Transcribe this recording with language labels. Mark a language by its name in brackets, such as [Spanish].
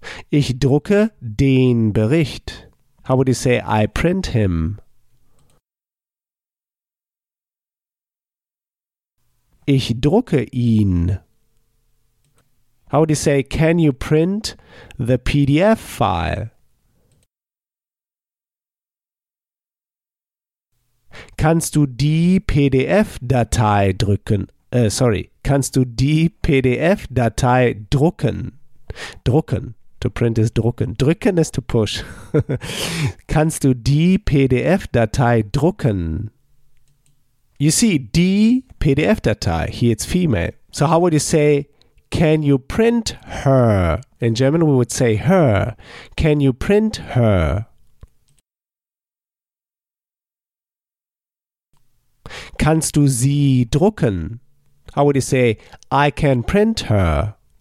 [German] Ich drucke den Bericht. [English] How would you say, I print him? [German] Ich drucke ihn. [English] How would you say, can you print the PDF file? [German] Kannst du die PDF-Datei drucken? Kannst du die PDF-Datei drucken? Drucken. [English] To print is [German] drucken. Drücken [English] is to push. [German] Kannst du die PDF-Datei drucken? [English] You see, [German] die PDF-Datei, [English] here it's female. So how would you say, can you print her? In German, we would say her. Can you print her? [German] Kannst du sie drucken? [English] How would you say, I can print her?